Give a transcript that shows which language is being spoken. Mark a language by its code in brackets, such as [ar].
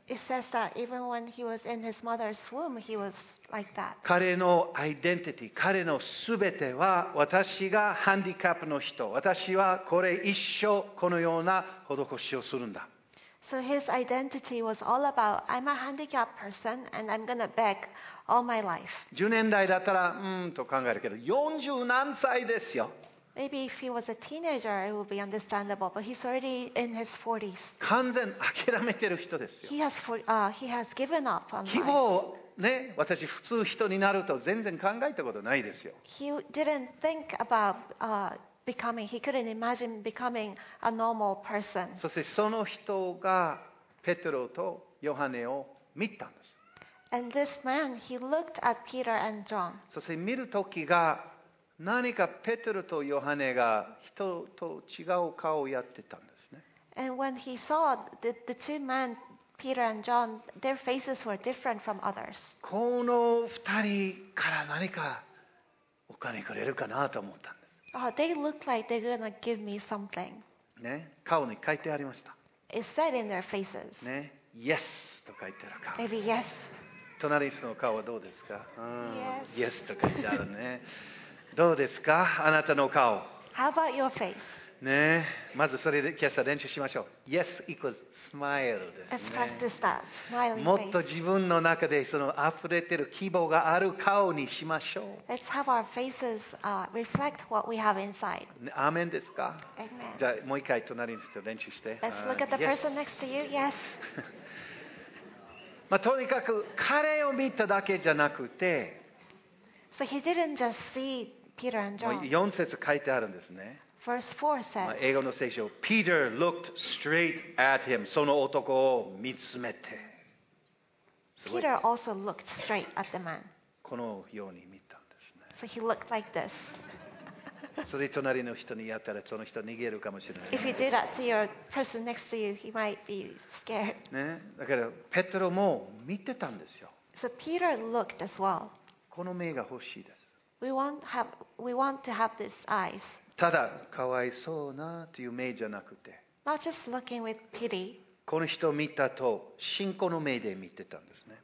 [en] It says that even when he was in his mother's womb, he was like that. [ja] 彼のアイデンティティ、彼のすべては私がハンディキャップの人、私はこれ一生このような施しをするんだ。 [en] So his identity was all about, I'm a handicapped person and I'm gonna beg all my life. [ja] 10年代だったら、と考えるけど、40何歳ですよ。 [en] Maybe if he was a teenager, it would be understandable, but he's already in his 40s. [ja] 完全諦めてる人ですよ。 [en] He has given up on life. [ja] 希望、ね、私普通人になると全然考えたことないですよ。 [en] He didn't think about, He couldn't imagine becoming a normal person. [ja] そしてその人がペテロとヨハネを見たんです。 [en] And this man, he looked at Peter and John. [ja] そして見るときが何かペテロとヨハネが人と違う顔をやってたんですね。 [en] And when he saw the two men, Peter and John, their faces were different from others. [ja] この二人から何かお金くれるかなと思ったんです。 [en] Oh, they look like they're gonna give me something. [ja] ね、顔に書いてありました。 [en] It said in their faces. [ja] ね、yes と書いてある顔。 [en] Maybe yes. [ja] 隣の人の顔はどうですか？ [en] Yes. [ja] Yes と書いてあるね。どうですか？あなたの顔。 [en] How about your face? [ja] ね、まずそれで今朝練習しましょう。 [en] Yes equals smile [ja] ですね。 [en] Let's practice that smiling face. [ja] もっと自分の中でその溢れてる希望がある顔にしましょう。 [en] Let's have our faces reflect what we have inside. [ja] アーメンですか？ [en] Amen. [ja] じゃあもう一回隣の人と練習して。 [en] Let's look at the person next to you. Yes. [ja] まあとにかく彼を見ただけじゃなくて、 [en] So he didn't just see Peter and John. [ja] 4節書いてあるんですね。 [en] Verse 4 says, [ja] 英語の聖書、 [en] Peter looked straight at him. [ja] その男を見つめて。 [en] Peter also looked straight at the man. [ja] このように見たんですね。 [en] So he looked like this. [ja] それ隣の人にやったらその人逃げるかもしれない。 [en] If you do that to your person next to you, he might be scared. [ja] ね、だからペテロも見てたんですよ。 [en] So Peter looked as well. [ja] この目が欲しいです。 [en] We want to have these eyes. [ja] ただかわいそうなという目じゃなくて、 [en] Not just looking with pity, [ja] この人を見たと信仰の目で見てたんですね。